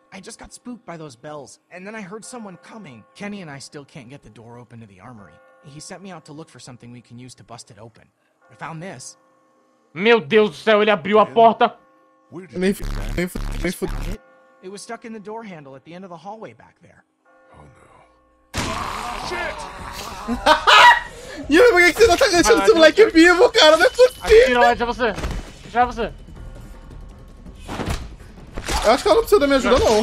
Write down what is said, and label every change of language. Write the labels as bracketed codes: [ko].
[en] I just got spooked by those bells, and then I heard someone coming. Kenny and I still can't get the door open to the armory. He sent me out to look for something we can use to bust it open. I found this. [pt] Meu Deus do céu, ele abriu a porta! [en] It was stuck in the door handle at the end of the hallway back there. [pt] Shit! Yuumi, por que você não tá ganhando esse moleque vivo, cara? Não é possível! Aqui, não, é você. Já você. Eu acho que ela não precisa da minha ajuda, não.